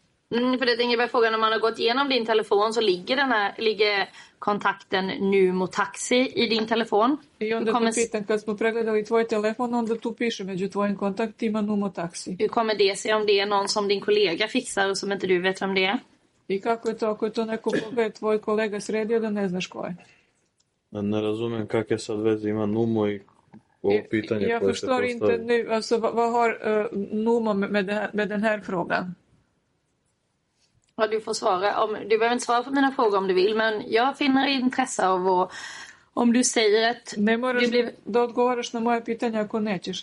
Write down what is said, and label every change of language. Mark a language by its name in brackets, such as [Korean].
[Swedish] För det är ingen fråga, när man har gått igenom din telefon så ligger kontakten Numo Taxi i din telefon. [Serbian] I onda [Swedish] kommer... [Serbian] tu pitan, kad smo pregledali tvoj telefon, onda tu piše među tvojim kontaktima Numo Taxi. [Swedish] Hur kommer det sig om det är någon som din kollega fixar och som inte du vet vem det är? [Serbian] I kako je to, ako je to neko koga je tvoj kollega sredio da ne znaš ko je? Ne razumem kak je sad vezi ima Numo i ovo pitanje ja koje se postavio. [Swedish] Ja förstår inte nu, alltså vad har Numo med den här frågan? Ja, du får svara. Du behöver inte svara på mina frågor om du vill, men jag finner intresse av att... Om du säger att... [Serbian] Ne moraš da odgovaraš na moje pitanje ako nećeš.